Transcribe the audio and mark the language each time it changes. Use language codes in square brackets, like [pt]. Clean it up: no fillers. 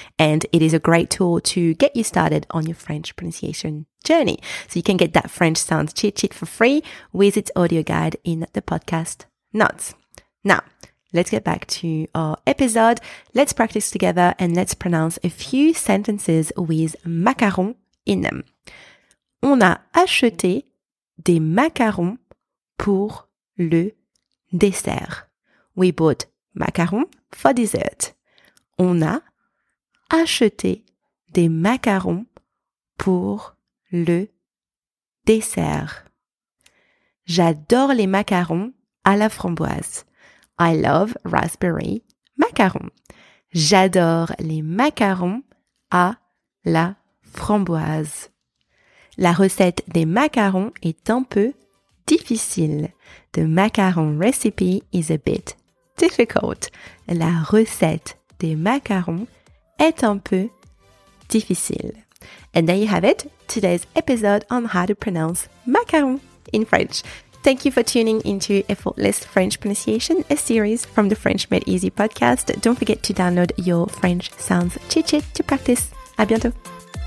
[en] And it is a great tool to get you started on your French pronunciation journey. So you can get that French Sounds Cheat Sheet for free with its audio guide in the podcast notes. Now, let's get back to our episode. Let's practice together and let's pronounce a few sentences with macaron in them. [fr] On a acheté des macarons pour le dessert. [en] We bought macarons for dessert. [fr] On a acheté des macarons pour le dessert. J'adore les macarons à la framboise. [en] I love raspberry macarons. [fr] J'adore les macarons à la framboise. La recette des macarons est un peu difficile. [en] The macaron recipe is a bit difficult. [fr] La recette des macarons est un peu difficile. [en] And there you have it, today's episode on how to pronounce macaron in French. Thank you for tuning into Effortless French Pronunciation, a series from the French Made Easy podcast. Don't forget to download your French Sounds Cheat Sheet to practice. [fr] À bientôt.